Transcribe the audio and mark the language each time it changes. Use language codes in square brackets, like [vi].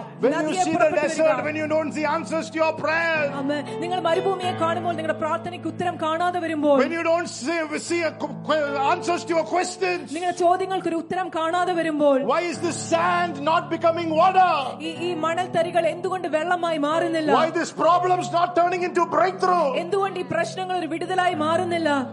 [en] When you see the desert, when you don't see answers to your prayers. Amen. [ml] നിങ്ങളുടെ മരുഭൂമിയെ കാണുമ്പോൾ നിങ്ങളുടെ പ്രാർത്ഥനയ്ക്ക് ഉത്തരം കാണാതെ വരുമ്പോൾ. [en] When you don't see answers to your questions. [ml] നിങ്ങളുടെ ചോദ്യങ്ങൾക്ക് ഒരു ഉത്തരം കാണാതെ വരുമ്പോൾ. [en] Why is this sand not becoming water? [ml] ഈ മണൽത്തരികൾ എന്തുകൊണ്ട് വെള്ളമായി മാറുന്നില്ല? [en] Why this problems not turning into breakthrough? [ml] എന്തുകൊണ്ട് ഈ പ്രശ്നങ്ങൾ ഒരു വിടുതലായി മാറുന്നില്ല?